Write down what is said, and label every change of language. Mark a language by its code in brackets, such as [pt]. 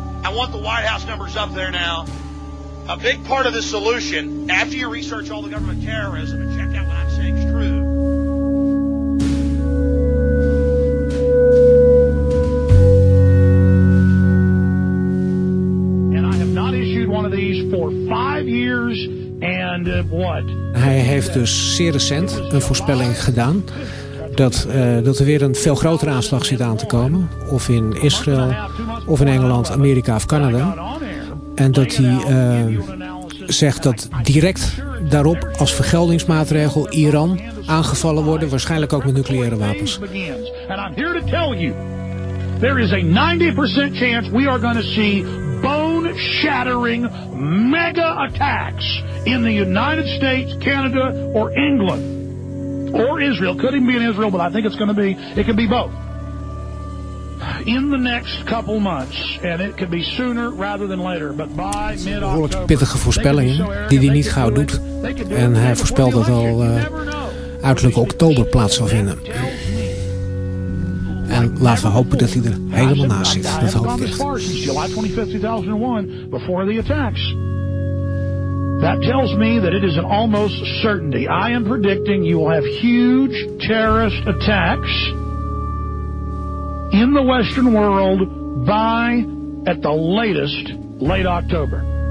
[en] I want the White House numbers up there now. A big part of the solution, after you research all the government terrorism and check out what I'm saying is true. And I have not issued one of these for 5 years and what? [nl] Hij heeft dus zeer recent een voorspelling gedaan dat er weer een veel grotere aanslag zit aan te komen. Of in Israël, of in Engeland, Amerika of Canada. En dat hij zegt dat direct daarop als vergeldingsmaatregel Iran aangevallen worden. Waarschijnlijk ook met nucleaire wapens. En ik ben hier om je te vertellen. Er is een 90% kans dat [en] we see bone-shattering mega-attacks [nl] in de Verenigde Staten, Canada of Engeland. [en] Or Israel, could even be in Israel, but I think it's going to be, it could be both. In the next couple months, and it could be sooner rather than later, but by mid-October. [nl] Behoorlijk pittige voorspellingen, die hij niet gauw doet. En hij voorspelt dat al uiterlijk oktober plaats zal vinden. En laten we hopen dat hij er helemaal naast zit. Dat hoop ik echt. [en] July 25, 2001, before the attacks. That tells me that it is an almost certainty. I am predicting you will have huge terrorist attacks in the Western world by, at the latest, late October.